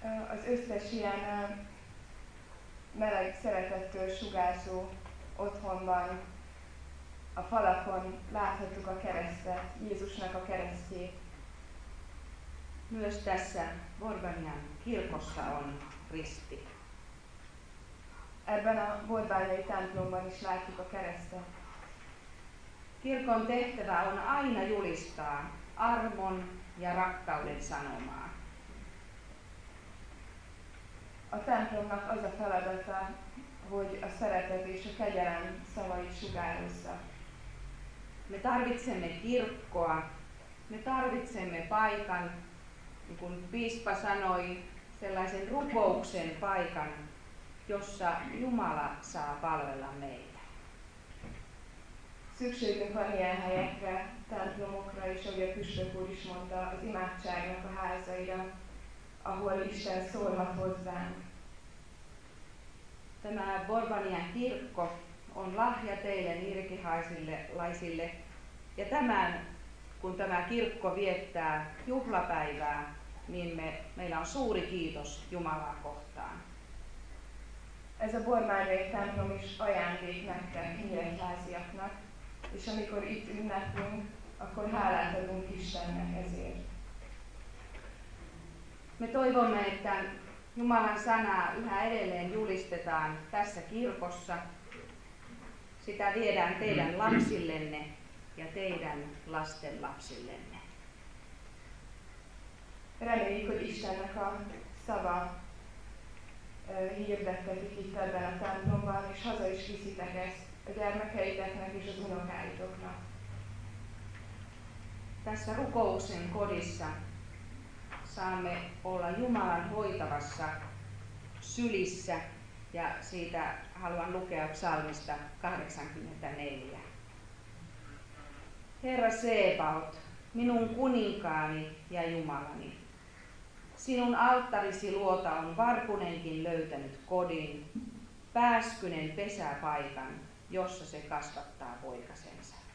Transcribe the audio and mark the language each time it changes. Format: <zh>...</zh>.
<hu>Az összes ilyen meleg szeretettől sugárzó otthonban a falakon láthattuk a keresztet, Jézusnak a keresztjét.</hu> <fi>Myös tässä Borbanyán kirkossa on risti.</fi> <hu>Ebben a borbányai templomban is látjuk a keresztet.</hu> <fi>Kirkon tehtävä on aina julistaa armon ja rakkauden sanomaa.</fi> <hu>A templomnak az a feladata, hogy a szeretet és a kegyelem szavait sugározza.</hu> <fi>Me tarvitsemme kirkkoa, me tarvitsemme paikan, niin kuin piispa sanoi, sellaisen rukouksen paikan, jossa Jumala saa palvella meitä.</fi> <hu>Szükségünk van ilyen helyekre, templomokra, és ahogy a püspök úr is mondta, az imádságnak a házaira, ahol Isten szólhat hozzánk.</hu> <fi>Tämä Borbanyán kirkko on lahja teille nirkihaisille laisille, ja tämän, kun tämä kirkko viettää juhlapäivää, niin meillä on suuri kiitos Jumalaa kohtaan.</fi> <hu>Ez a borbányai templom is ajándék nektek, nyíregyháziaknak, és amikor itt ünnepünk, akkor hálát adunk Istennek ezért.</hu> <fi>Me toivomme, että Jumalan sanaa yhä edelleen julistetaan tässä kirkossa. Sitä viedään teidän lapsillenne ja teidän lasten lapsillenne.</fi> <hu>Reméljük, hogy Istennek a szava hirdettetik itt ebben a templomban, és haza is viszitek ezt a gyermekeiteknek és az unokáitoknak.</hu> <fi>Tässä rukouksen kodissa saamme olla Jumalan hoitavassa sylissä, ja siitä haluan lukea psalmista 84. Herra Sebaot, minun kuninkaani ja Jumalani, sinun alttarisi luota on varpunenkin löytänyt kodin, pääskynen pesäpaikan, jossa se kasvattaa poikasensa.</fi>